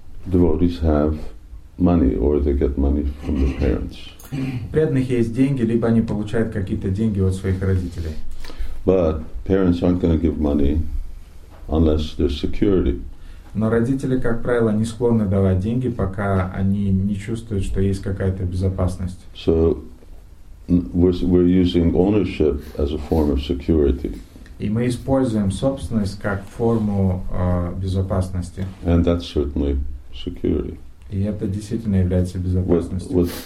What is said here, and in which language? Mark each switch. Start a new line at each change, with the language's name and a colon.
English: Devotees have money, or they get money from their parents.
Russian: У преданных есть деньги, либо они получают какие-то деньги от своих родителей.
English: But parents aren't going to give money unless there's security.
Russian: Но родители, как правило, не склонны давать деньги, пока они не чувствуют, что есть какая-то безопасность.
English: So we're using ownership as a form of security.
Russian: И мы используем собственность как форму безопасности.
English: And that's certainly security.
Russian: И это действительно является безопасностью.